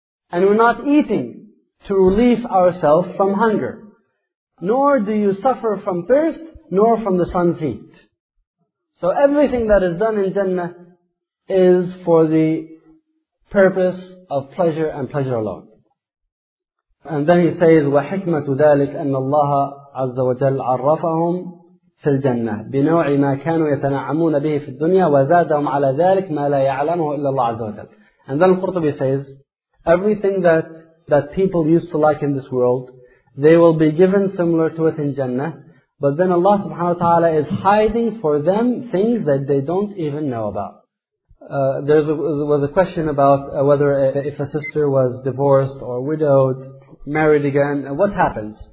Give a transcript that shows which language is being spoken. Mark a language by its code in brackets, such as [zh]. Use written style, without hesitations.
[en] And we're not eating to relieve ourselves from hunger. Nor do you suffer from thirst nor from the sun's heat. So everything that is done in Jannah is for the purpose of pleasure and pleasure alone. And then he says, [ar] وَحِكْمَةُ ذَلِكَ أَنَّ اللَّهَ عَزَّ وَجَلْ عَرَّفَهُمْ فِي الْجَنَّةِ بِنَوْعِ مَا كَانُوا يَتَنَعَمُونَ بِهِ فِي الدُّنْيَا وَزَادَهُمْ عَلَى ذَلِكَ مَا لَا يَعْلَمُهُ إِلَّا اللَّهُ عَزَّ وَجَلْ. [en] And then Qurtubi says, everything that people used to like in this world, they will be given similar to it in Jannah. But then Allah subhanahu wa ta'ala is hiding for them things that they don't even know about. There was a question about whether if a sister was divorced or widowed, married again, what happens?